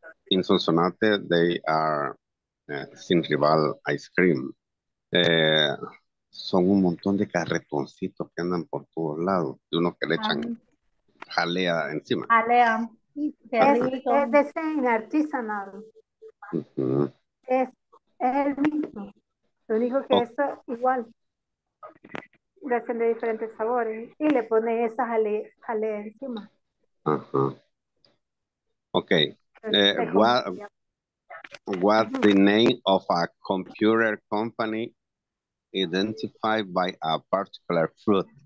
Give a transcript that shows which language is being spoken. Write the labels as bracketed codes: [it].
[en] In Sonsonate, they are Sin Rival ice cream. [es] Son un montón de carretoncitos que andan por todos lados, de unos que le echan jalea encima. Jalea. Es de Sin artesanal. Es el mismo. Lo único que eso igual. Le hacen de diferentes sabores y le pone esa jalea encima. Ajá. Okay. [en] What the name of a computer company identified by a particular fruit?